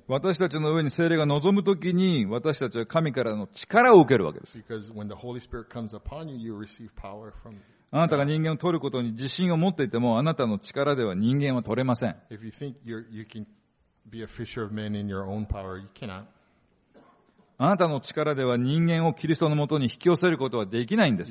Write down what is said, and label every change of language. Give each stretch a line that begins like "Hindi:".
Japanese: 私たちの上に聖霊が望むときに私たちは神からの力を受けるわけです。
English: Because when the Holy Spirit comes upon you, you receive power from God.
Japanese: あなたが人間を取ることに自信を持っていてもあなたの力では人間は取れません。
English: If you think you can be a fisher of men in your own power, you cannot.
Japanese: あなたの力では人間をキリストのもとに引き寄せることはできないんです